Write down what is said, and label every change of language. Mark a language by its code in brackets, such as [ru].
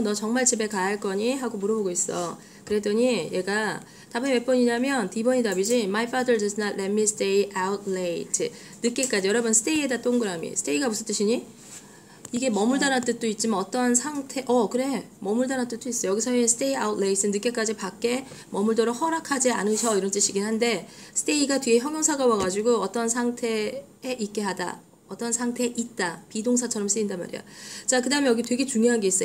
[ko] 너 정말 집에 가야 할 거니? 하고 물어보고 있어. 그랬더니 얘가 답이 몇 번이냐면 D번이 답이지. [en] My father does not let me stay out late. [ko] 늦게까지. 여러분, stay에다 동그라미. stay가 무슨 뜻이니? 이게 쉬다. 머물다란 뜻도 있지만 어떠한 상태, 그래. 머물다란 뜻도 있어. 여기서의 stay out late는 늦게까지 밖에 머물도록 허락하지 않으셔. 이런 뜻이긴 한데, stay가 뒤에 형용사가 와가지고 어떤 상태에 있게 하다. 어떤 상태에 있다. 비동사처럼 쓰인단 말이야. 자, 그 다음에 여기 되게 중요한 게 있어.